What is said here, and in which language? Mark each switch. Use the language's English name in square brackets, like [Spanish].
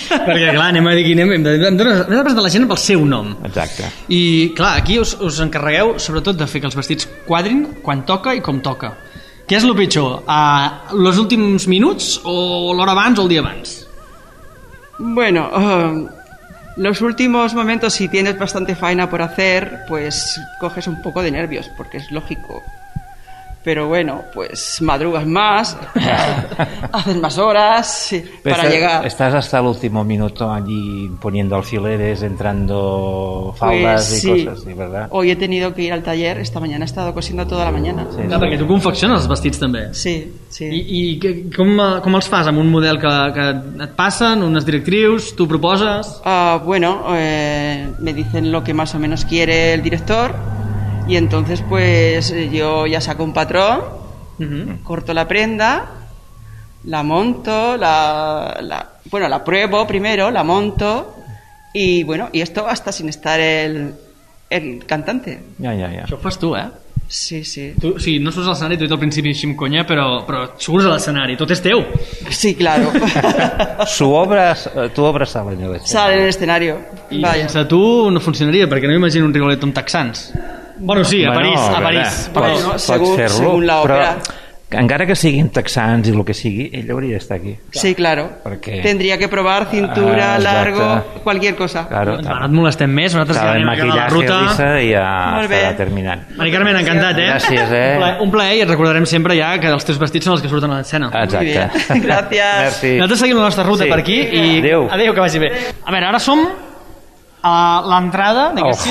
[Catalan] Perquè clar, anem a dir quin hem de presentar la gent pel seu nom. Exacte. I clar, aquí us encarregueu sobretot de fer que els vestits quadrin quan toca i com toca. Què és el pitjor? Els últims minuts o l'hora abans o el dia abans? [Spanish] Bueno, los últimos momentos, si tienes bastante faena por hacer, pues coges un poco de nervios, porque es lógico. Pero bueno, pues madrugas más, haces más horas para llegar. Estás hasta el último minuto allí poniendo alfileres, entrando faldas pues, y sí. Cosas, ¿sí, verdad? Hoy he tenido que ir al taller, esta mañana he estado cosiendo toda la mañana. [Catalan] Sí, sí. Ah, perquè tu confecciones els vestits també. Sí, sí. I com els fas? Amb un model que et passen, unes directrius, tu proposes? [Spanish] Me dicen lo que más o menos quiere el director. Y entonces pues yo ya saco un patrón, corto la prenda, la monto, la pruebo primero, la monto y bueno, y esto hasta sin estar el cantante. Ya. [Catalan] Això ho fas tu, eh? Sí, sí. Tu, sí, no surts a l'escenari, t'ho he dit al principi així amb conya, però surts a l'escenari, tot és teu. [Spanish] Sí, claro. [Catalan] Tu obres a l'escenari. [Spanish] Sale en el escenario. [Catalan] I sense tu no funcionaria, perquè no m'imagino un Rigoletto amb texans. [Spanish] Bueno, sí, a París. [Catalan] Pots fer-lo, però encara que siguin texans i el que sigui, ell hauria d'estar aquí. [Spanish] Sí, claro. [Catalan] Perquè... [Spanish] Tendría que probar cintura, largo, cualquier cosa. Claro, [Catalan] no et molestem més, nosaltres ja anem a la ruta. El maquillatge i ja està terminant. Mari Carmen, encantat, eh? Gràcies, eh? Un plaer i et recordarem sempre ja que els teus vestits són els que surten a l'escena. Exacte. Gràcies. Nosaltres seguim la nostra ruta per aquí. I adéu. Adéu, que vagi bé. A veure, ara som... l'entrada, diguéssim,